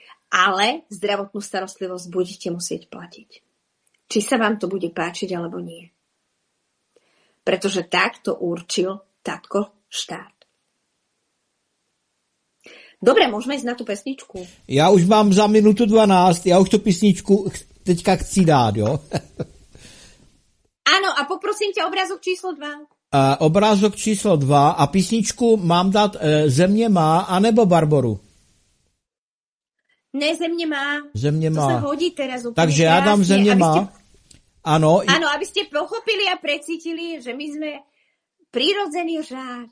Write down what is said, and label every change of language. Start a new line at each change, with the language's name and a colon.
Slovak: Ale zdravotnú starostlivosť budete musieť platiť. Či sa vám to bude páčiť, alebo nie. Pretože tak to určil tatko štát. Dobre, môžeme ísť na tú pesničku. Ja už mám za minútu 12, ja už tú pesničku
Czech: teďka chci
Slovak: dáť, jo? Áno, a poprosím ťa obrázok číslo 2.
Czech: Obrázok číslo 2 a písničku mám dát Země má anebo Barboru? Ne, Země má. Země má.
Slovak: To sa hodí teraz úplne. Takže ja dám Země má. Áno. Áno, aby ste pochopili a precítili, že my sme prirodzený řád.